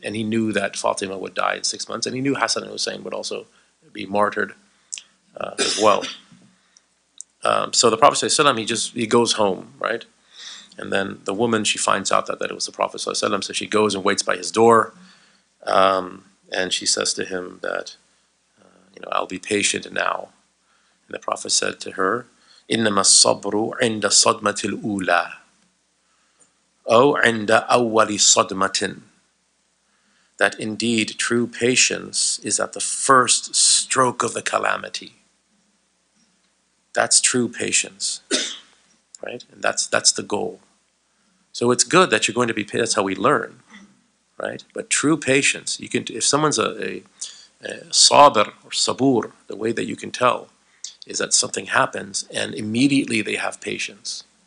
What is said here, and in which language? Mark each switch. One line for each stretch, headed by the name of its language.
English: And he knew that Fatima would die in 6 months, and he knew Hassan and Hussein would also be martyred as well. So the Prophet ﷺ, he goes home, right? And then the woman, she finds out that it was the Prophet ﷺ, so she goes and waits by his door, and she says to him that, you know, I'll be patient now.
Arabic: And the Prophet said to her, إِنَّمَا الصَّبْرُ عِنْدَ صَدْمَةِ الْأُولَى أَوْ عِنْدَ أَوَّلِ صَدْمَةٍ.
English: That indeed true patience is at the first stroke of the calamity. That's true patience, right? And that's the goal. So it's good that you're going to be patient. That's how we learn, right? But true patience, you can. If someone's a sabr or sabur, the way that you can tell is that something happens and immediately they have patience.